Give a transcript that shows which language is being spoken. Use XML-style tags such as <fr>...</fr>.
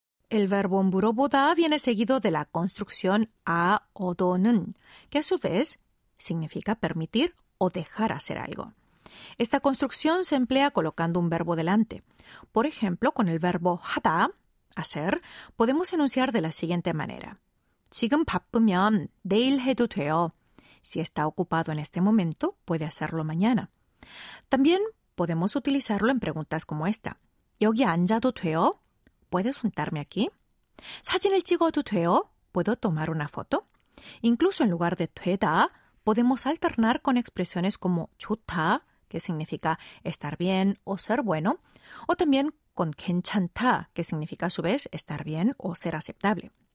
<es>El verbo 물어보다 viene seguido de la construcción</es> <ko>아, 얻어는,</ko> <es>que a su vez significa permitir o dejar hacer algo. Esta construcción se emplea colocando un verbo delante. Por ejemplo, con el verbo 하다, hacer, podemos enunciar de la siguiente manera.</es> <ko>지금 바쁘면 내일 해도 돼요.</ko> <es>Si está ocupado en este momento, puede hacerlo mañana. También podemos utilizarlo en preguntas como esta.</es> <ko>여기 앉아도 돼요?</ko> <es>¿Puedes sentarme aquí?</es> <ko>사진을 찍어도 돼요?</ko> <es>¿Puedo tomar una foto? Incluso en lugar de 되다, podemos alternar con expresiones como 좋다, que significa estar bien o ser bueno, o también con 괜찮다, que significa a su vez estar bien o ser aceptable.</es>